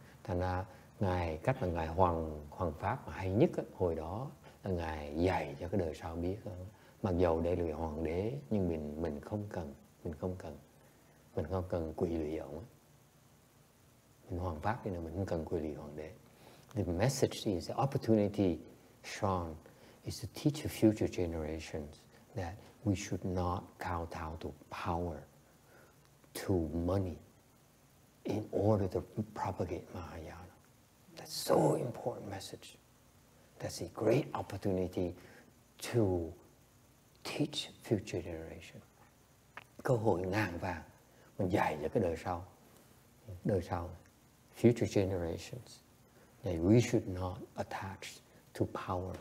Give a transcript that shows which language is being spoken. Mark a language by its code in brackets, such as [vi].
[vi] Thành ra ngài cách là ngài hoàng pháp mà hay nhất ấy, hồi đó là ngài dạy cho cái đời sau biết. Mặc dầu đây là hoàng đế nhưng mình không cần quỳ lạy ông. Mình hoàng pháp thì mình không cần quỳ lạy hoàng đế. [en] The message is the opportunity shown is to teach the future generations that we should not kowtow to power, to money, in order to propagate Mahayana. That's so important message. That's a great opportunity to teach future generation. [vi] Cơ hội ngàn vàng, mình dạy cho cái đời sau, [en] future generations, that we should not attach to power.